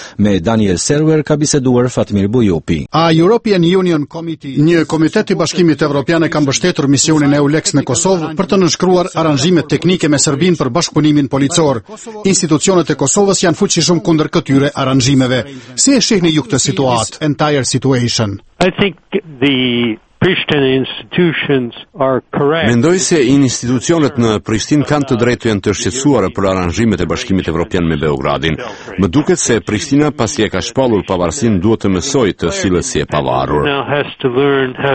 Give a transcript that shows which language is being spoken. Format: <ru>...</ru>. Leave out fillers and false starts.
<sq>Me Daniel Server ka biseduar Fatmir Bujupi.</sq> <en>A European Union Committee,</en> <sq>një komitet i Bashkimit Evropian, ka mbështetur misionin Eulex në Kosovë për të nënshkruar aranjimet teknike me Serbinë për bashkëpunimin policor. Institucionet e Kosovës janë fuqishëm kundër këtyre aranjimeve. Si e shihni ju këtë situatë,</sq> <en>entire situation? I think the Prishtin institutions are correct.</en> <sq>Mendoj se institucionet në Prishtinë kanë të drejtë janë të shqetësuara për aranjimet e Bashkimit Evropian me Beogradin. Më duket se Prishtina, pasi e ka shpallur pavarësinë, duhet të mësojë të sillet si e pavarur.</sq>